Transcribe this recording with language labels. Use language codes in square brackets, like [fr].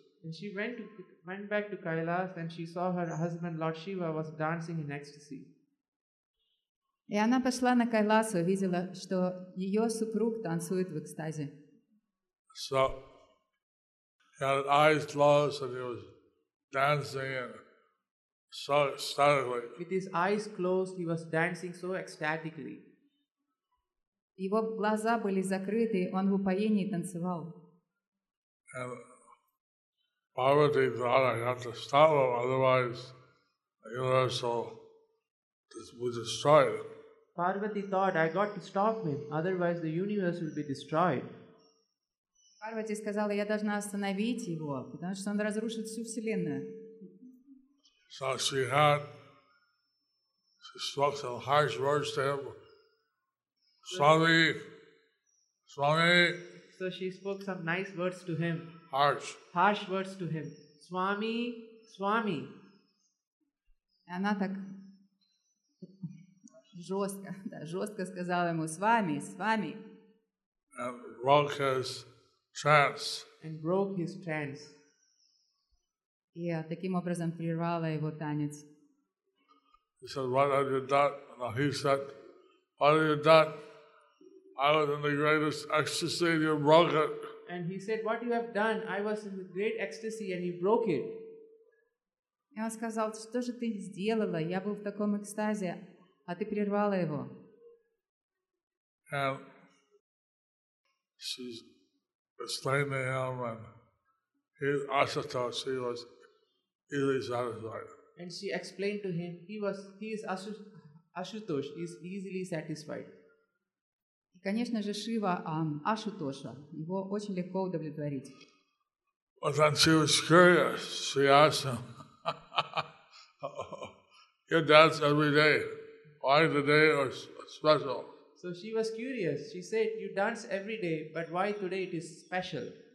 [en] And she went back to Kailash and she saw her husband Lord Shiva was dancing in ecstasy. [ru] И она пошла на Кайлас и увидела, что ее супруг танцует в экстазе. [en] So he had his eyes closed and he was dancing and so ecstatically. With his eyes closed, he was dancing so ecstatically. [ru] Его глаза были закрыты, он в упоении танцевал. [en] And Parvati thought, I have to stop him, otherwise the universe will be destroyed. Parvati thought, I got to stop him, otherwise the universe will be destroyed. [ru] Parvati сказала, я должна остановить его, потому что он разрушит всю вселенную. [en] So she had, she spoke some harsh words to him. Swami, Swami. So she spoke some nice words to him. Harsh. Harsh words to him. Swami, Swami. [ru] Она так жестко, да, жестко сказала ему, Свами, Свами. [en] And broke his trance. And broke his trance. [ru] И таким образом прервала его танец. [en] He said, what have you done? And he said, what have you done? I was in the greatest ecstasy and you broke it. And he said, what you have done? I was in the great ecstasy and you broke it. [ru] И он сказал, что же ты сделала? Я был в таком экстазе, а ты прервала его. [en] And she's explaining to him and his Ashutosh, he was easily satisfied. And she explained to him, he is Ashutosh, he is easily satisfied. [ru] И, конечно же, Шива Ашутоша, его очень легко удовлетворить. [en] But then she was curious, she asked him, your dance every day. Why today is special? So she was curious. She said, you dance every day, but why today it is special?